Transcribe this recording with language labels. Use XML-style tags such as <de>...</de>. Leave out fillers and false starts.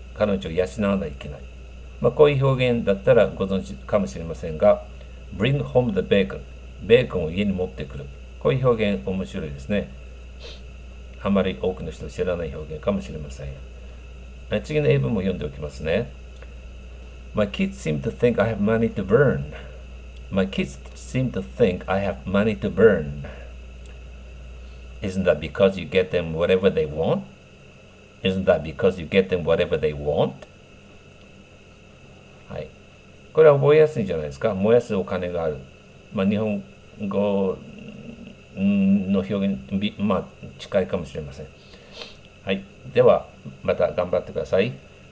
<ja>彼女を養わないといけない。まあ、こういう表現だったらご存知かもしれませんが、</ja> <en>bring home the bacon。</en> <ja>ベーコンを家に持ってくる。こういう表現面白いですね。あまり多くの人知らない表現かもしれません。次の英文も読んでおきますね。</ja> <en>My kids seem to think I have money to burn. My kids seem to think I have money to burn. Isn't that because you get them whatever they want? Isn't that because you get them whatever they want?</en> <ja>はい、これは覚えやすいんじゃないですか。燃やすお金がある。まあ、日本語の表現、まあ、近いかもしれません。はい、ではまた頑張ってください。</ja>